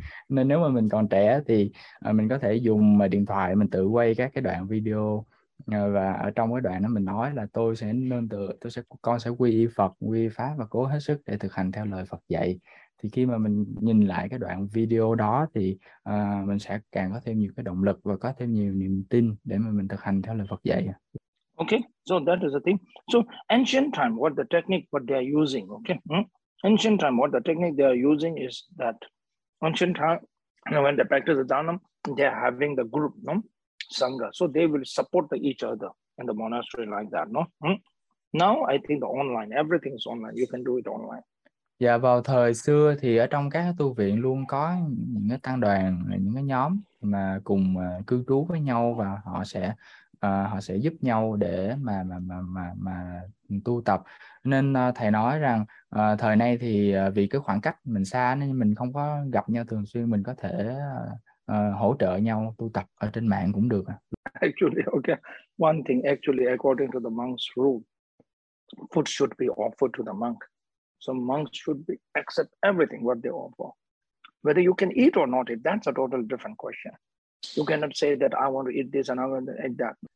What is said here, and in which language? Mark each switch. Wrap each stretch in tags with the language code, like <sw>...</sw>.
<vi>Nên nếu mà mình còn trẻ thì mình có thể dùng điện thoại mình tự quay các cái đoạn video, và ở trong cái đoạn đó mình nói là tôi sẽ nương tựa, con sẽ quy y Phật, quy y Pháp và cố hết sức để thực hành theo lời Phật dạy. Thì khi mà mình nhìn lại cái đoạn video đó thì mình sẽ càng có thêm nhiều cái động lực và có thêm nhiều niềm tin để mà mình thực hành theo lời Phật dạy.</vi> <en>Okay, so that is the thing. So ancient time, what the technique what they are using, okay? Ancient time, what the technique they are using is that ancient time, you know, when they practice the Dharma, they are having the group, no? Sangha. So they will support each other in the monastery like that, no? Now I think the online, everything is online. You can do it online.</en> <vi>Dạ, vào thời xưa thì ở trong các tu viện luôn có những cái tăng đoàn, những cái nhóm mà cùng cư trú với nhau và họ sẽ giúp nhau để mà tu tập. Nên thầy nói rằng thời nay thì vì cái khoảng cách mình xa nên mình không có gặp nhau thường xuyên, mình có thể hỗ trợ nhau tu tập ở trên mạng cũng được.</vi> <en>Actually, okay. One thing, actually, according to the monk's rule, food should be offered to the monk. So monks should be accept everything what they offer. Whether you can eat or not, if that's a totally different question. You cannot say that I want to eat this and I want to eat that.</en>